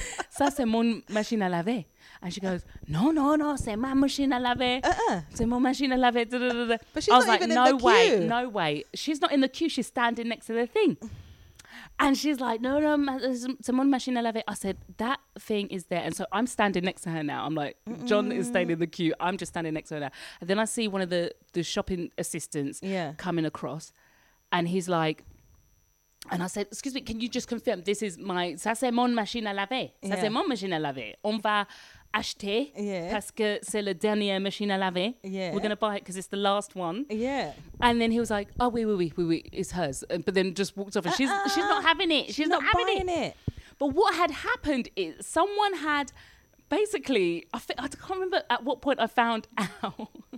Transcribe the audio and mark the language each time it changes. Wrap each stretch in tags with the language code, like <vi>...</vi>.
<fr>Ça, c'est mon machine à laver.</fr> <en>And she goes, no,</en> <fr>c'est ma machine à laver. C'est mon machine à laver.</fr> <en>But she's not even in the queue. I was like, no way. She's not in the queue. She's standing next to the thing. And she's like, no, someone machine elevate. I said, that thing is there. And so I'm standing next to her now. I'm like, John is staying in the queue. I'm just standing next to her now. And then I see one of the shopping assistants coming across. And he's like, and I said, excuse me, can you just confirm? This is my,</en> <fr>ça c'est mon machine à laver. Ça c'est mon machine à laver. On va acheter parce que c'est la dernière machine à laver.</fr> <en>Yeah. We're going to buy it because it's the last one. Yeah. And then he was like, oh, oui, it's hers. But then just walked off and she's not having it. She's not having buying it. But what had happened is someone had basically, I can't remember at what point I found out.</en>